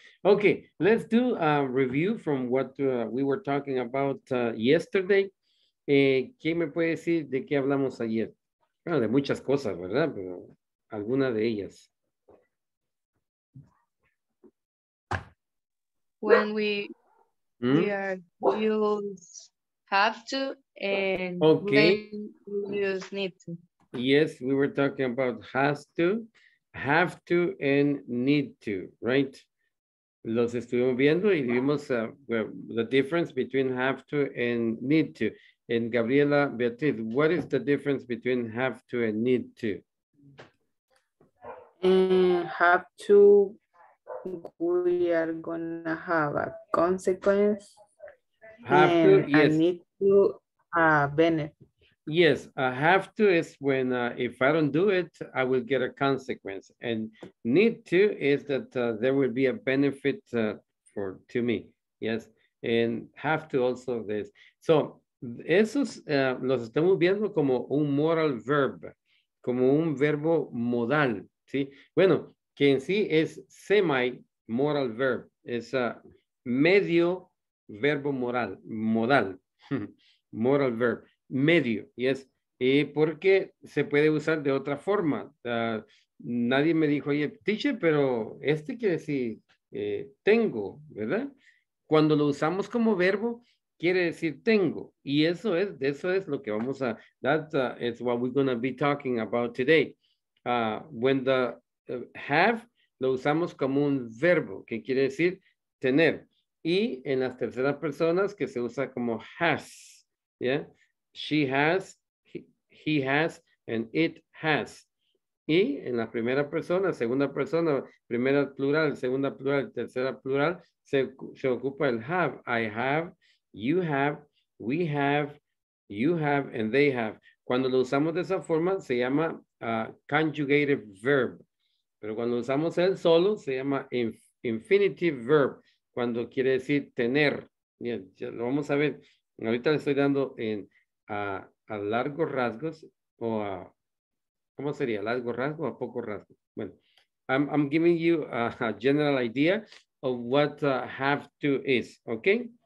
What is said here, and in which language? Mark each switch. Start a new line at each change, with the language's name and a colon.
English: Okay, let's do a review from what we were talking about yesterday.
Spanish: ¿Qué me puede decir de qué hablamos ayer? Bueno, de muchas cosas, ¿verdad? Pero alguna de ellas.
English: When we are, you have to, and okay, you need to. Yes, we were talking about has to, have to, and need to, right?
Spanish: Los estuvimos viendo y vimos
English: the difference between have to and need to. And Gabriela Beatriz, what is the difference between have to and need to? Have to. We are gonna have a consequence. Have to, yes. I need to benefit. Yes, I have to is when if I don't do it, I will get a consequence. And need to is that there will be a benefit to me. Yes, and have to also this.
Spanish: So esos los estamos viendo como un modal verb, como un verbo modal. Sí, bueno. Que en sí es semi-modal verb, es medio verbo moral, modal, modal verb, medio, yes. Y porque se puede usar de otra forma. Nadie me dijo, oye, teacher, pero este quiere decir tengo, ¿verdad? Cuando lo usamos como verbo, quiere decir tengo. Y eso es lo que vamos a,
English: that is what we're going to be talking about today. When the have,
Spanish: lo usamos como un verbo, que quiere decir tener. Y en las terceras personas, que se usa como has.
English: Yeah? She has, he has, and it has.
Spanish: Y en la primera persona, primera plural, segunda plural, tercera plural, se ocupa el have.
English: I have, you have, we have, you have, and they have.
Spanish: Cuando lo usamos de esa forma, se llama conjugated verb. Pero cuando usamos el solo, se llama infinitive verb, cuando quiere decir tener. Bien, ya lo vamos a ver. Ahorita le estoy dando a largos rasgos o a, ¿cómo sería? ¿Largo rasgo o a poco rasgo?
English: Bueno, I'm giving you a general idea of what have to is, okay?